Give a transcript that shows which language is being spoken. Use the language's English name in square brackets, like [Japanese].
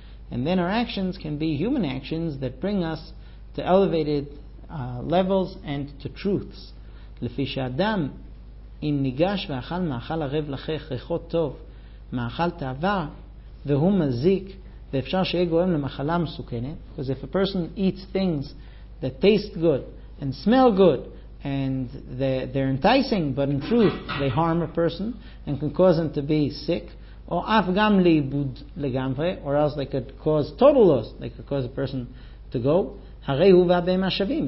[English] And then our actions can be human actions that bring us to elevated levels and to truths. [Hebrew] לפי שאדם אם ניגש ואכל מאכל ערב לחך ריחות טוב מאכל תאווה והוא מזיק ואפשר שיהיה גורם למחלה מסוכנת. [English] Because if a person eats things that taste good and smell good and they're enticing, but in truth they harm a person and can cause them to be sick, or [Hebrew] אף גם לאיבוד לגמרי, [English] or else they could cause total loss, they could cause a person to go, [Hebrew] הרי הוא והבהמה שווים.